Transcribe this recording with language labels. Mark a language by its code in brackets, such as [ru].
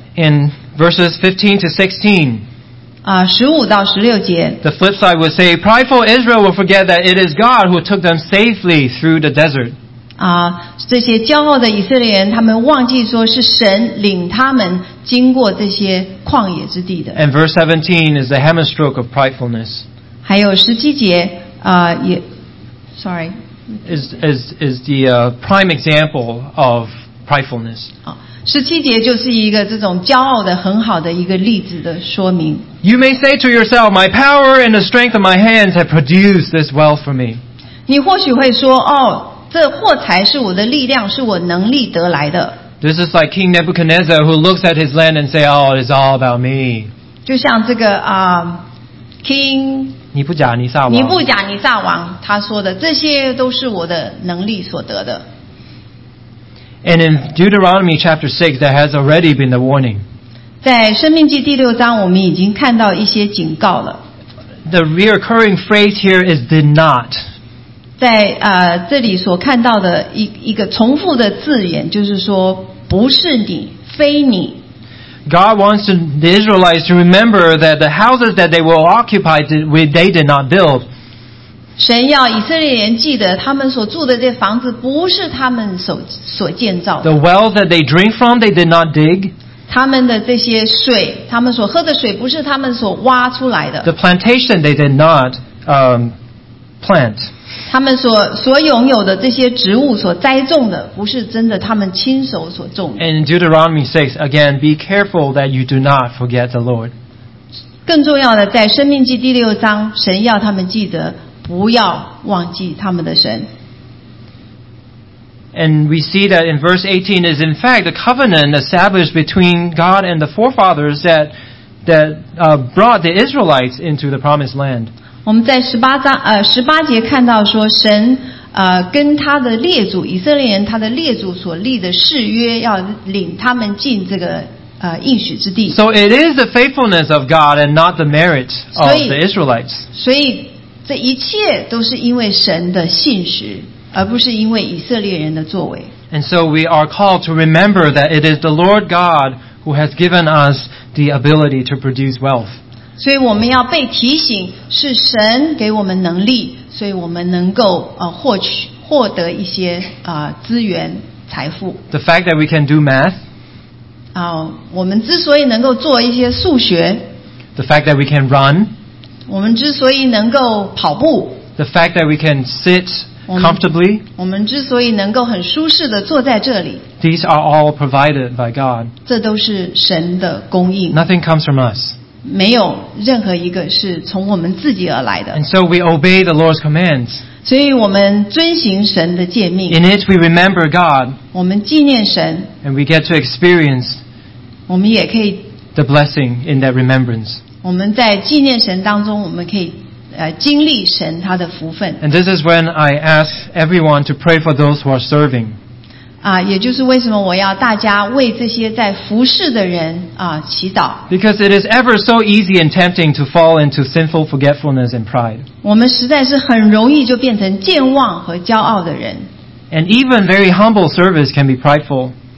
[en] In verses 15 to 16, [zh] 15到16节 [en] the flip side would say prideful Israel will forget that it is God who took them safely through the desert. [zh] 这些骄傲的以色列人他们忘记说是神领他们经过这些旷野之地的。 [en] And verse 17 is the hammer stroke of pridefulness. [zh] 还有17节也 sorry. [en] Is the prime example of pridefulness. [zh] 17节就是一个这种骄傲的很好的一个例子的说明。 [en] You may say to yourself, my power and the strength of my hands have produced this wealth for me. [zh] 你或许会说哦这货财是我的力量，是我能力得来的。 [en] This is like King Nebuchadnezzar who looks at his land and say, "Oh, it's all about me." [zh] 就像这个King 尼布甲尼撒王，尼布甲尼撒王他说的，这些都是我的能力所得的。 [en] And in Deuteronomy chapter 6, there has already been the warning. [zh] 在生命记第六章，我们已经看到一些警告了。 [en] The reoccurring phrase here is "did not." [zh] 在这里所看到的一个重复的字眼，就是说不是你，非你。 [en] God wants the Israelites to remember that the houses that they were occupied with, they did not build. [zh] 神要以色列人记得，他们所住的这房子不是他们所建造的。 [en] The well that they drink from, they did not dig. [zh] 他们的这些水，他们所喝的水不是他们所挖出来的。 [en] The plantation they did not plant. [zh] 他们所拥有的这些植物所栽种的不是真的他们亲手所种的。 [en] And in Deuteronomy 6, again, be careful that you do not forget the Lord. [zh] 更重要的在生命记第六章神要他们记得不要忘记他们的神。 [en] And we see that in verse 18 is in fact a covenant established between God and the forefathers that brought the Israelites into the promised land. [zh] 我们在十八节看到说神跟他的列祖以色列人他的列祖所立的誓约要领他们进这个应许之地。 [en] So it is the faithfulness of God and not the merit of the Israelites. [zh] 所以这一切都是因为神的信实而不是因为以色列人的作为。 [en] And so we are called to remember that it is the Lord God who has given us the ability to produce wealth. [zh] 所以我们要被提醒是神给我们能力所以我们能够获得一些资源财富。 [en] The fact that we can do math, [zh] 我们之所以能够做一些数学。 [en] The fact that we can run, [zh] 我们之所以能够跑步。 [en] The fact that we can sit comfortably, [zh] 我们之所以能够很舒适地坐在这里。 [en] These are all provided by God. [zh] 这都是神的供应。 [en] Nothing comes from us. [zh] 没有任何一个是从我们自己而来的。 [en] And so we obey the Lord's commands. [zh] 所以我们遵行神的诫命。 [en] In it we remember God. [zh] 我们纪念神。 [en] And we get to experience. [zh] 我们也可以。 [en] The blessing in that remembrance. [zh] 我们在纪念神当中，我们可以经历神他的福分。 [en] And this is when I ask everyone to pray for those who are serving. [zh] 也就是为什么我要大家为这些在服事的人祈祷。 [en] Because it is ever so easy and tempting to fall into sinful forgetfulness and pride. [zh] 我们实在是很容易就变成健忘和骄傲的人。 [en] And even very humble service can be prideful.